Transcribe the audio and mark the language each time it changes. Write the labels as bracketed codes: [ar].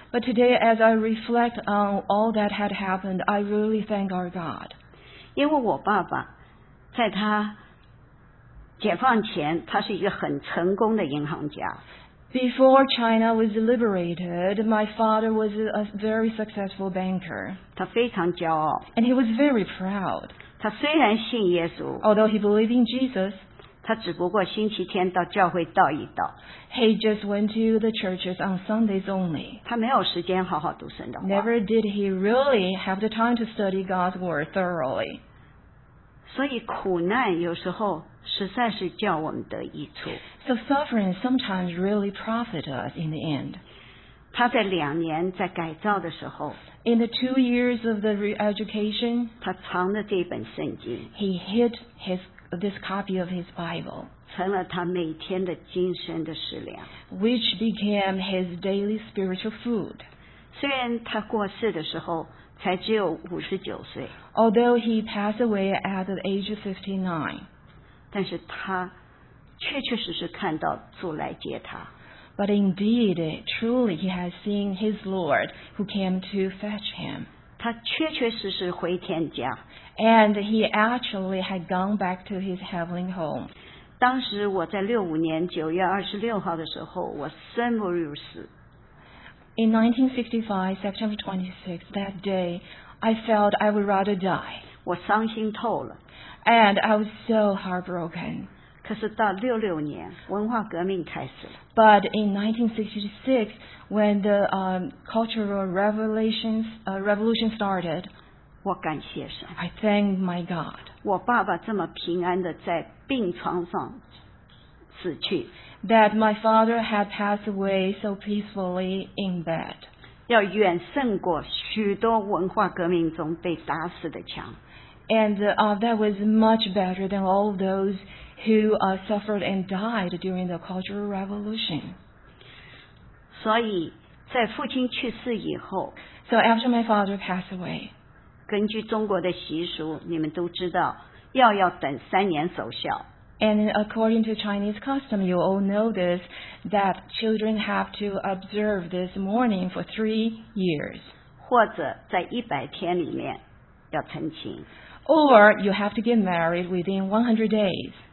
[en] But today, as I reflect on all that had happened, I really thank our God. [zh] 因为我爸爸在他解放前，他是一个很成功的银行家。 [en] Before China was liberated, my father was a very successful banker. [zh] 他非常骄傲。 [en] And he was very proud. [zh] 他虽然信耶稣。 [en] Although he believed in Jesus, [zh] 他只不过星期天到教会道一道。 [en] He just went to the churches on Sundays only. [zh] 他没有时间好好读神的话。 [en] Never did he really have the time to study God's word thoroughly. [zh] 所以苦难有时候实在是叫我们得益处。 [en] So suffering sometimes really profit us in the end. [zh] 他在两年在改造的时候， [en] In the 2 years of the re-education, [zh] 他藏了这本圣经， [en] He hid this copy of his Bible. [zh] 成了他每天的精神的食粮， [en] Which became his daily spiritual food. [zh] 虽然他过世的时候才只有59岁， [en] Although he passed away at the age of 59, [zh] 但是他确确实实看到主来接他。 [en] But indeed, truly, he has seen his Lord who came to fetch him. [zh] 他确确实实回天家。 [en] And he actually had gone back to his heavenly home. [zh] 当时我在65年9月26号的时候，我生不如死。 [en] In 1965, September 26, that day, I felt I would rather die. [zh] 我伤心透了。 [en] And I was so heartbroken. [zh] 可是到66年，文化革命开始了。 [en] But in 1966, when the cultural revolution started, [zh] 我感谢神。 [en] I thank my God. [zh] 我爸爸这么平安地在病床上死去。 [en] That my father had passed away so peacefully in bed. [zh] 要远胜过许多文化革命中被打死的枪。 [en] And that was much better than all those who suffered and died during the Cultural Revolution. [zh] 所以在父亲去世以后， [en] So after my father passed away, [zh] 根据中国的习俗，你们都知道，药要等三年守孝。 [en] And according to Chinese custom, you all know this, that children have to observe this mourning for 3 years. [zh] 或者在一百天里面要成亲。 [en] Or you have to get married within 100 days.